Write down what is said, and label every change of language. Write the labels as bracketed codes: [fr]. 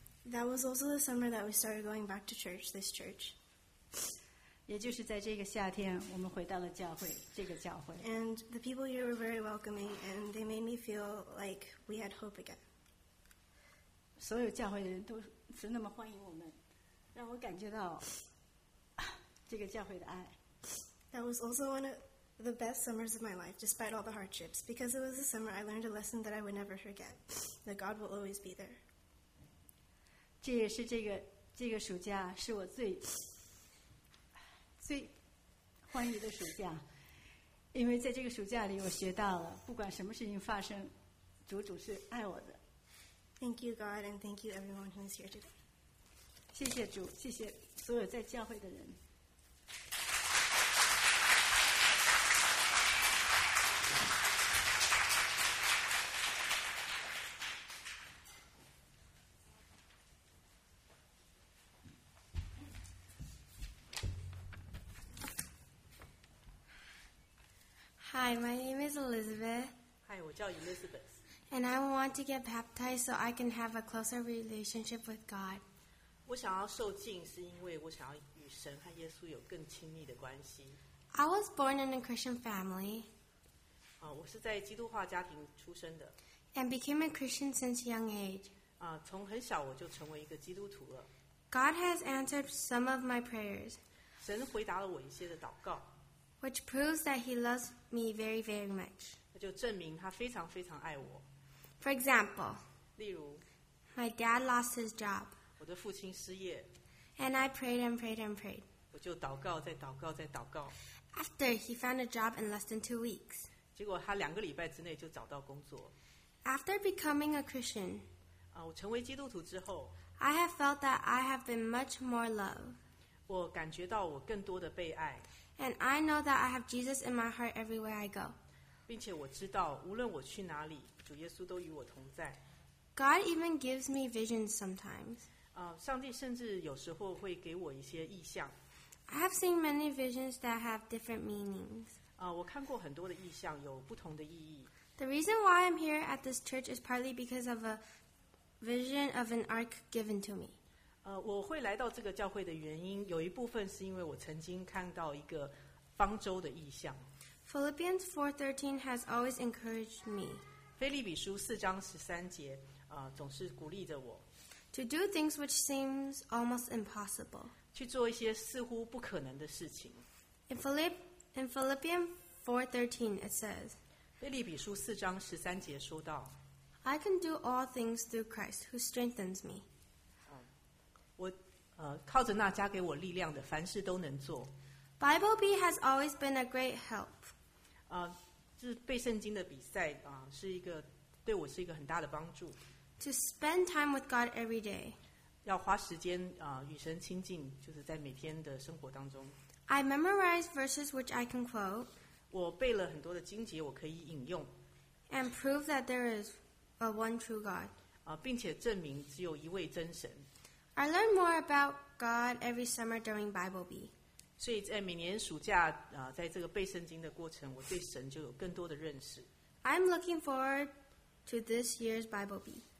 [en] That was also the summer that we started going back to church, this church. [zh] 也就是在这个夏天，我们回到了教会，这个教会。 [en] And the people here were very welcoming, and they made me feel like we had hope again. [zh] 所有教会的人都是那么欢迎我们，让我感觉到这个教会的爱。 [en] That was also one of the best summers of my life, despite all the hardships, because it was a summer I learned a lesson that I would never forget, that God will always be there. [zh] 这也是这个暑假是我最欢愉的暑假，因为在这个暑假里，我学到了不管什么事情发生，主是爱我的。 [en] Thank you, God, and thank you everyone who is here today. [zh] 谢谢主，谢谢所有在教会的人。 [en] Hi, my name is Elizabeth. [zh] Hi, 我叫 Elizabeth. [en] And I want to get baptized so I can have a closer relationship with God. [zh] 我想要受浸是因为我想要与神和耶稣有更亲密的关系。 [en] I was born in a Christian family. [zh] 我是在基督化家庭出生的。 [en] And became a Christian since young age. [zh] 从很小我就成为一个基督徒了。 [en] God has answered some of my prayers. [zh] 神回答了我一些的祷告。 [en] Which proves that he loves me very, very much. [zh] 那就证明他非常非常爱我。 [en] For example, [zh] 例如 [en] my dad lost his job. [zh] 我的父亲失业。 [en] And I prayed and prayed and prayed. [zh] 我就祷告，再祷告，再祷告。 [en] After he found a job in less than 2 weeks. [zh] 结果他两个礼拜之内就找到工作。 [en] After becoming a Christian, [zh] 我成为基督徒之后 [en] I have felt that I have been much more loved. [zh] 我感觉到我更多的被爱。 [en] And I know that I have Jesus in my heart everywhere I go. [zh] 并且我知道，无论我去哪里，主耶稣都与我同在。 [en] God even gives me visions sometimes. [zh] 上帝甚至有时候会给我一些意象。 [en] I have seen many visions that have different meanings. [zh] 我看过很多的意象，有不同的意义。 [en] The reason why I'm here at this church is partly because of a vision of an ark given to me. [zh] 我会来到这个教会的原因，有一部分是因为我曾经看到一个方舟的意象。 [en] Philippians 4:13 has always encouraged me. [zh] 腓立比书四章十三节，总是鼓励着我。 [en] To do things which seems almost impossible. [zh] 去做一些似乎不可能的事情。 [en] In Philippians 4:13 it says. [zh] 腓立比书四章十三节说到。 [en] I can do all things through Christ who strengthens me. [zh] 靠着那加给我力量的，凡事都能做。 [en] Bible B has always been a great help. [zh] 这背圣经的比赛是一个对我是一个很大的帮助。 [en] To spend time with God every day. [zh] 要花时间与神亲近，就是在每天的生活当中。 [en] I memorize verses which I can quote. [zh] 我背了很多的经节，我可以引用。 [en] And prove that there is a one true God. [zh] 并且证明只有一位真神。 [en] I learn more about God every summer during Bible B. [zh] 所以在每年暑假，在这个背圣经的过程，我对神就有更多的认识。 [en] I'm looking forward to this year's Bible B.